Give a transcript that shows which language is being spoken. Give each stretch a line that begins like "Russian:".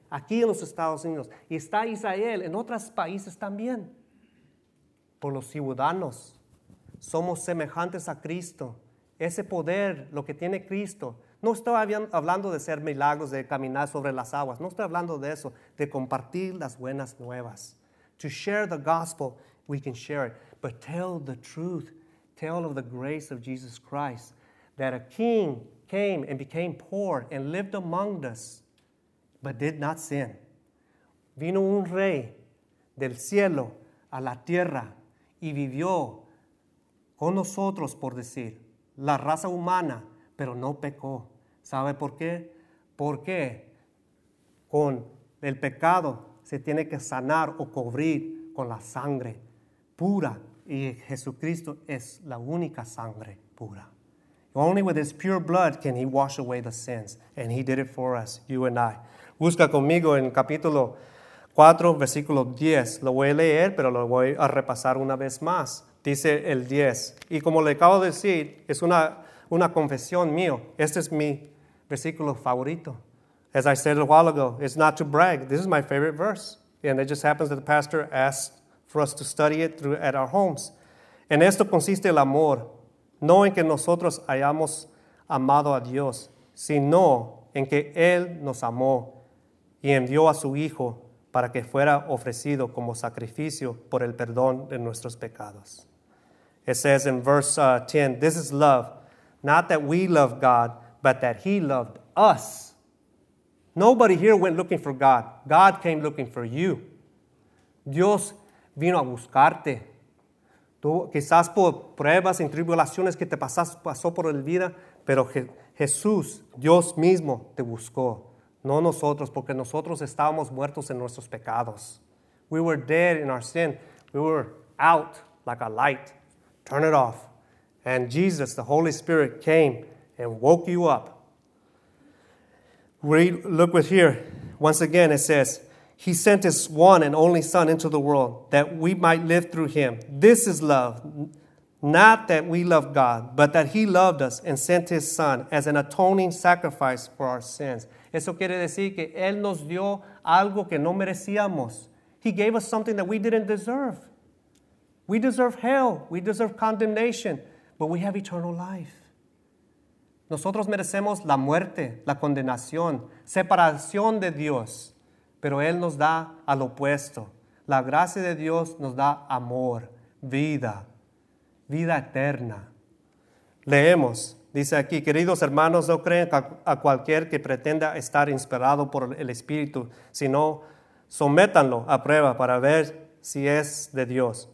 Spanish: Aquí en los Estados Unidos. Y está Israel en otros países también. Por los ciudadanos. Somos semejantes a Cristo. Ese poder, lo que tiene Cristo. No estoy hablando de hacer milagros, de caminar sobre las aguas. No estoy hablando de eso, de compartir las buenas nuevas.
English: To share the gospel, we can share it. But tell the truth. Tell of the grace of Jesus Christ. That a king came and became poor and lived among us, but did not sin.
Spanish: Vino un rey del cielo a la tierra y vivió con nosotros, por decir, la raza humana, pero no pecó. ¿Sabe por qué? Porque con el pecado se tiene que sanar o cubrir con la sangre pura. Y Jesucristo es la única sangre pura.
English: Only with his pure blood can he wash away the sins. And he did it for us, you and I.
Spanish: Busca conmigo en capítulo 4, versículo 10. Lo voy a leer, pero lo voy a repasar una vez más. Dice el 10. Y como le acabo de decir, es una confesión mío. Este es mi versículo favorito.
English: As I said a while ago, it's not to brag. This is my favorite verse. And it just happens that the pastor asked for us to study it at our homes.
Spanish: En esto consiste el amor, no en que nosotros hayamos amado a Dios, sino en que Él nos amó y envió a su Hijo para que fuera ofrecido como sacrificio por el perdón de nuestros pecados.
English: It says in verse 10, this is love. Not that we love God, but that he loved us. Nobody here went looking for God. God came looking for you.
Spanish: Dios vino a buscarte. Tú, quizás por pruebas y tribulaciones que te pasó por la vida, pero Jesús, Dios mismo, te buscó. No nosotros, porque nosotros estábamos muertos en nuestros pecados.
English: We were dead in our sin. We were out like a light. Turn it off. And Jesus, the Holy Spirit, came and woke you up. We look with here. Once again, it says, he sent his one and only Son into the world that we might live through him. This is love. Not that we love God, but that he loved us and sent his Son as an atoning sacrifice for our sins.
Spanish: Eso quiere decir que él nos dio algo que no merecíamos.
English: He gave us something that we didn't deserve. We deserve hell. We deserve condemnation. But we have eternal life.
Spanish: Nosotros merecemos la muerte, la condenación, separación de Dios. Pero Él nos da al opuesto. La gracia de Dios nos da amor, vida, vida eterna. Leemos, dice aquí, queridos hermanos, no crean a cualquier que pretenda estar inspirado por el Espíritu, sino sométanlo a prueba para ver si es de Dios.